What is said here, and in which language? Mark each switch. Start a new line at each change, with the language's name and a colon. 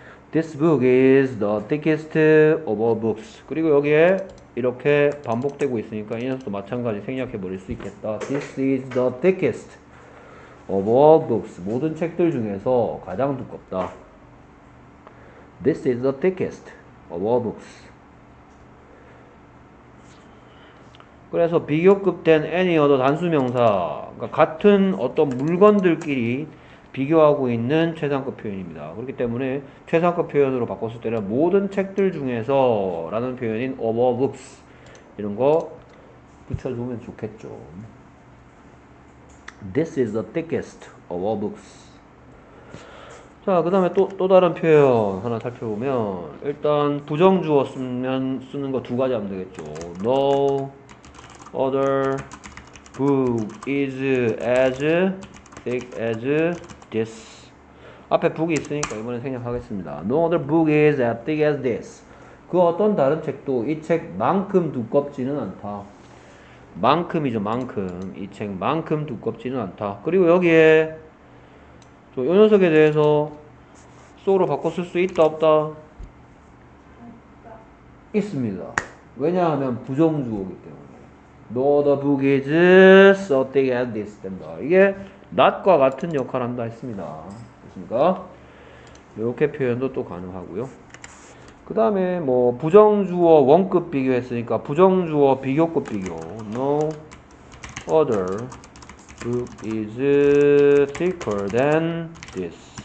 English: This book is the thickest of all books.
Korean: 그리고 여기에 이렇게 반복되고 있으니까 이 녀석도 마찬가지 생략해 버릴 수 있겠다.
English: This is the thickest of all books.
Korean: 모든 책들 중에서 가장 두껍다.
English: This is the thickest of all books.
Korean: 그래서 비교급 된 any other 단수명사. 그러니까 같은 어떤 물건들끼리 비교하고 있는 최상급 표현입니다. 그렇기 때문에 최상급 표현으로 바꿨을 때는 모든 책들 중에서 라는 표현인 of all books. 이런 거 붙여주면 좋겠죠.
English: This is the thickest of all books.
Korean: 자, 그 다음에 또 다른 표현 하나 살펴보면 일단 부정주어 쓰면 쓰는 거두 가지 하면 되겠죠.
English: No other book is as thick as this.
Korean: 앞에 book이 있으니까 이번엔 생략하겠습니다.
English: No other book is as thick as this.
Korean: 그 어떤 다른 책도 이 책만큼 두껍지는 않다. 만큼이죠, 만큼. 이 책만큼 두껍지는 않다. 그리고 여기에 저요 녀석에 대해서 so로 바꿔 쓸수 있다, 없다? 있습니다. 왜냐하면 부정주어이기 때문에.
English: No other book is so thick as this.
Korean: 된다. 이게 not과 같은 역할을 한다 했습니다. 그렇습니까? 이렇게 표현도 또 가능하고요. 그 다음에 뭐 부정주어 원급 비교했으니까 부정주어 비교급 비교.
English: No other book is thicker than this.